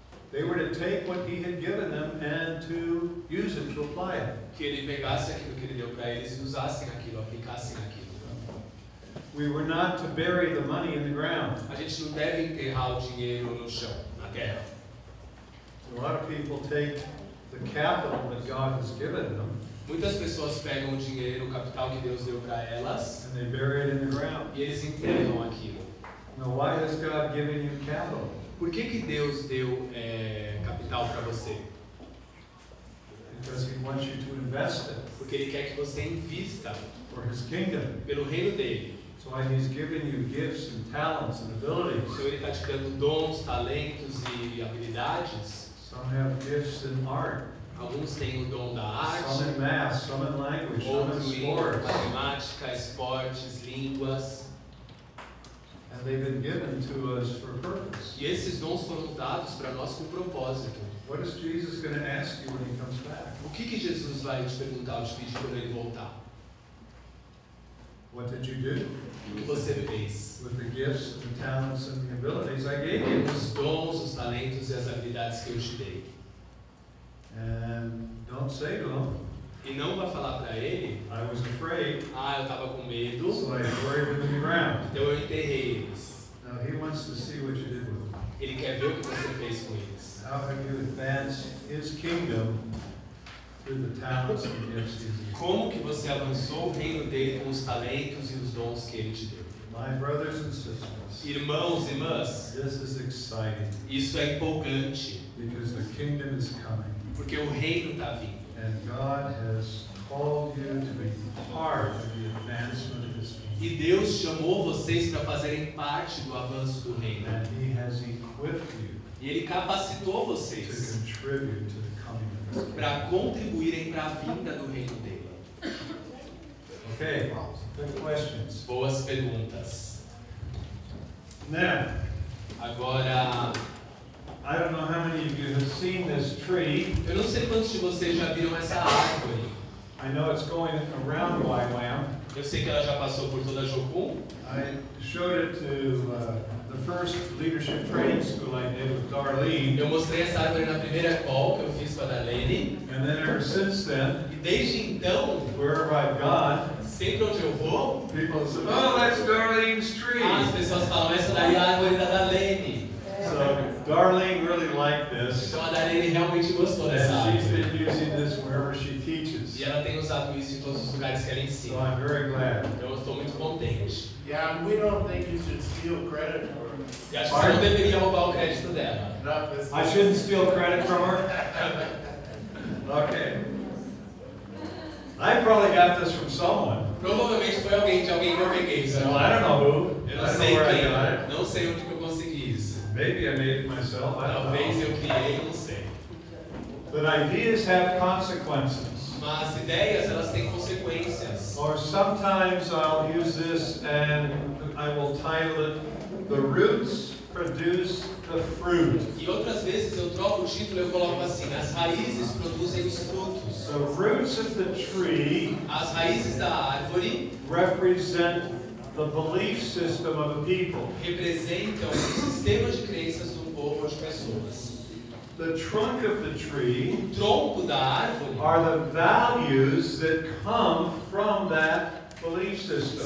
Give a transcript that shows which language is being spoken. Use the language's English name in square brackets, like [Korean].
[English] They were to take what he had given them and to use it, to apply it. [Portuguese] Que ele pegasse aquilo que ele deu para eles e usassem aquilo, aplicassem aquilo. [English] We were not to bury the money in the ground. [Portuguese] A gente não deve enterrar o dinheiro no chão, na terra. [English] A lot of people take the capital that God has given them. [Portuguese] Muitas pessoas pegam o dinheiro, o capital que Deus deu para elas. [English] And they bury it in the ground. [Portuguese] E eles enterram aquilo. [English] Now, why has God given you capital? [Portuguese] Por que que Deus deu capital para você? [English] Because he wants you to invest it. [Portuguese] Porque ele quer que você invista. [English] For his kingdom. [Portuguese] Pelo reino dele. [English] So he's given you gifts and talents and abilities. [Portuguese] Então ele está te dando dons, talentos e habilidades. [English] Some have gifts in art. [Portuguese] Alguns têm o dom da arte. [English] Some in math, some in language, some in sports. [Portuguese] Matemática, esportes, línguas. [English] And they've been given to us for a purpose. [Portuguese] E esses dons foram dados para nós com propósito. [English] What is Jesus going to ask you when he comes back? [Portuguese] O que que Jesus vai te perguntar, te pedir quando ele voltar? [English] What did you do? [Portuguese] O que você fez? [English] With the gifts, the talents, and the abilities I gave you. [Portuguese] Os dons, os talentos e as habilidades que eu te dei. [English] And don't say to him. [Portuguese] E não vai falar para ele. [English] I was afraid. [Portuguese] Ah, eu estava com medo. [English] So I buried them in the ground. [Portuguese] Então eu enterrei eles. [English] Now he wants to see what you did with them. [Portuguese] Ele quer ver o que você fez com eles. [English] How have you advanced his kingdom through the talents and gifts he's given? [Portuguese] Como que você avançou o reino dele com os talentos e os dons que ele te deu? [English] My brothers and sisters. [Portuguese] Irmãos e irmãs. [English] This is exciting. [Portuguese] Isso é empolgante. [English] Because the kingdom is coming. [Portuguese] Porque o reino está vindo. [English] And God has called you to be part of the advancement of His kingdom. [Portuguese] E Deus chamou vocês para fazerem parte do avanço do reino. [English] And He has equipped you. [Portuguese] E Ele capacitou vocês [English] to contribute to the coming of His kingdom. [Portuguese] Para contribuírem para a vinda do reino dele. [English] Okay, good questions. [Portuguese] Boas perguntas. [English] Now, [Portuguese] agora. [English] I don't know how many of you have seen this tree. [Portuguese] Eu não sei quantos de vocês já viram essa árvore. [English] I know it's going around YWAM. [Portuguese] Eu sei que ela já passou por toda a Jocum. [English] I showed it to the first leadership training school I did with Darlene. [Portuguese] Eu mostrei essa árvore na primeira call que eu fiz com a Darlene. [English] And then ever since then, [Portuguese] e desde então, [English] wherever I've gone, [Portuguese] sempre onde eu vou, [English] people say, oh, that's Darlene's tree. [Portuguese] As pessoas falam, essa daí é a árvore da Darlene. [English] So, Darlene really liked this. [Portuguese] Então, a Darlene realmente gostou dessa [English] árvore. She's been using this wherever she teaches. [Portuguese] E ela tem usado isso em todos os lugares que ela ensina. [English] So I'm very glad. [Portuguese] Eu estou muito contente. [English] Yeah, we don't think you should steal credit from her. [Portuguese] E acho que você não deveria roubar o crédito dela. [English] I shouldn't steal credit from her. Okay. I probably got this from someone. [Portuguese] Provavelmente foi alguém de alguém que eu peguei. [English] Well, I don't know who. [Portuguese] Eu não sei quem. Não sei onde que eu consegui. [English] Maybe I made it myself. [Portuguese] Talvez eu criei, não sei. [English] But ideas have consequences. [Portuguese] Mas ideias, elas têm consequências. [English] Or sometimes I'll use this and I will title it The Roots Produce the Fruit. [Portuguese] E outras vezes eu troco o título e eu coloco assim, as raízes produzem os frutos. [English] The roots of the tree, [Portuguese] as raízes da árvore, [English] represent the belief system of a people. [Portuguese] Representam o sistema de crenças de um povo ou de pessoas. [English] The trunk of the tree, [Portuguese] o tronco da árvore, [English] are the values that come from that belief system.